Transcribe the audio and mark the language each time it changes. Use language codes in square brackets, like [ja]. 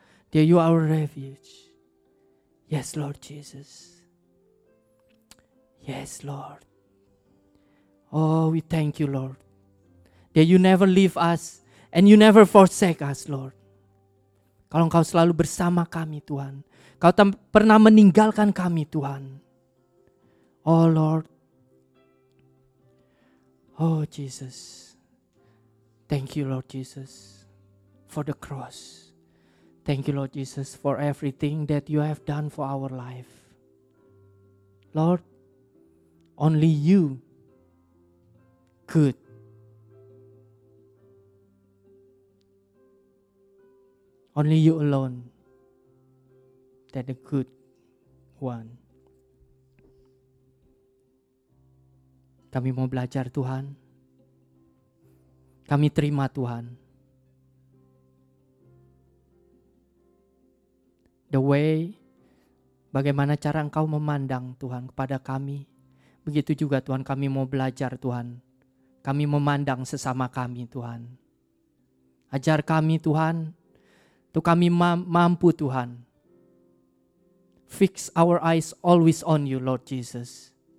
[en] That you are our refuge. Yes, Lord Jesus. Yes, Lord. Oh, we thank you, Lord. That you never leave us and you never forsake us, Lord. [id] Kalau engkau selalu bersama kami, Tuhan. Kau tak pernah meninggalkan kami, Tuhan. [en] Oh, Lord. Oh, Jesus, thank you, Lord Jesus, for the cross. Thank you, Lord Jesus, for everything that you have done for our life. Lord, only you could. Only you alone, that the good one. [id] Kami mau belajar, Tuhan. Kami terima, Tuhan. [en] The way, [id] bagaimana cara Engkau memandang, Tuhan, kepada kami. Begitu juga, Tuhan, kami mau belajar, Tuhan. Kami memandang sesama kami, Tuhan. Ajar kami, Tuhan, untuk kami mampu, Tuhan. [en] Fix our eyes always on you, Lord Jesus.